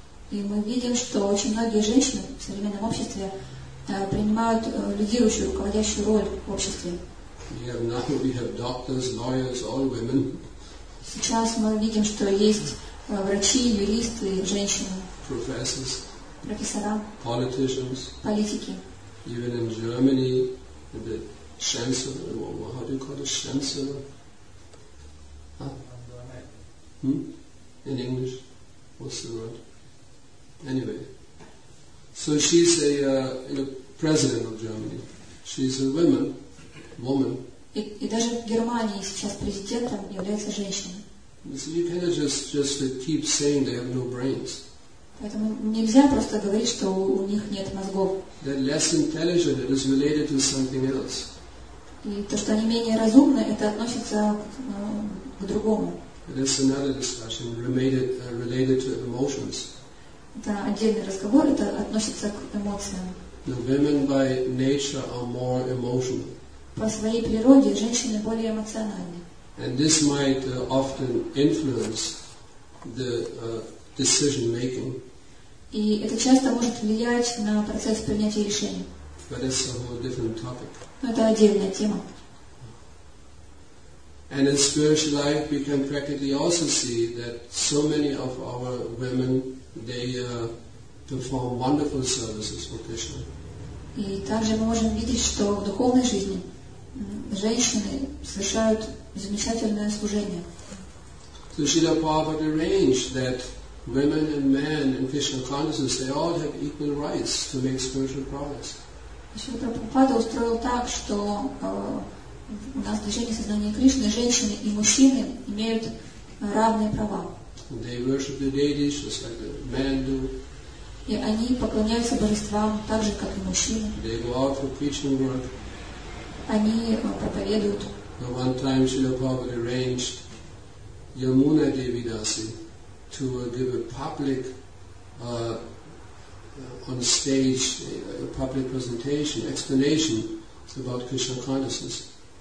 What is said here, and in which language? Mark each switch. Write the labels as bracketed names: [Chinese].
[Russian] И мы видим, что очень многие женщины в современном обществе принимают лидирующую, руководящую роль в обществе. [English] We have doctors, lawyers, all women. [Russian] Сейчас мы видим, что есть врачи, юристы, женщины. [English] Professors. [Russian] Профессора. [English] Politicians. [Russian] Политики. [English] Even in Germany, the chancellor, how do you call it, chancellor? In English, what's the word? Anyway, so she's a president of Germany. She's a woman. [Russian] И даже в Германии сейчас президентом является женщина. [English] So you cannot just keep saying they have no brains. [Russian] Поэтому нельзя просто говорить, что у них нет мозгов. [English] They're less intelligent. It is related to something else. [Russian] И то, что они менее разумны, это относится к другому. [English] It is another discussion related to emotions. [Russian] Это отдельный разговор, это относится к эмоциям. [English] The women by nature are more emotional. [Russian] По своей природе женщины более эмоциональны. [English] And this might often influence the decision making. [Russian] И это часто может влиять на процесс принятия решений. [English] But it's a whole different topic. [Russian] Но это отдельная тема. [English] And in spiritual life, we can practically also see that so many of our women, they perform wonderful services for Krishna. [Russian] И также мы можем видеть, что в духовной жизни женщины совершают замечательное служение. [English] So Srila Prabhupada arranged that women and men in Krishna consciousness, they all have equal rights to make spiritual progress. [Russian] Srila Prabhupada устроил так, что у нас движение сознания Кришны, женщины и мужчины имеют равные права. [English] They worship the deities just like the men do. [Russian] И они поклоняются божествам так же, как и мужчины. [English] They go out for preaching work. [Russian] Они проповедуют. [English] So one time Srila Prabhupada arranged Yamuna Devi Dasi to give a public on stage a public presentation, explanation about Krishna consciousness.